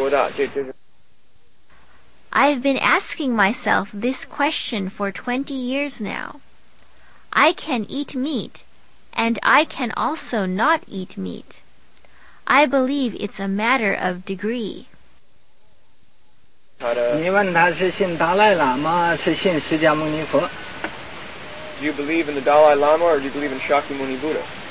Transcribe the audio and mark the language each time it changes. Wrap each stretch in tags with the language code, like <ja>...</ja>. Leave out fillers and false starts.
<zh>他，郭维他实在的是已经二十多年来问他自己这个问题，来讨论他在他心里，想一想这个问题实在的，他说吃肉可以不吃肉也可以，他就是要看水平高度多大，这就是。</zh> <en>I've been asking myself this question for 20 years now. I can eat meat. And I can also not eat meat. I believe it's a matter of degree.</en> <zh>你问他是信达赖喇嘛，是信释迦牟尼佛？</zh> <en>Do you believe in the Dalai Lama or do you believe in Shakyamuni Buddha?</en>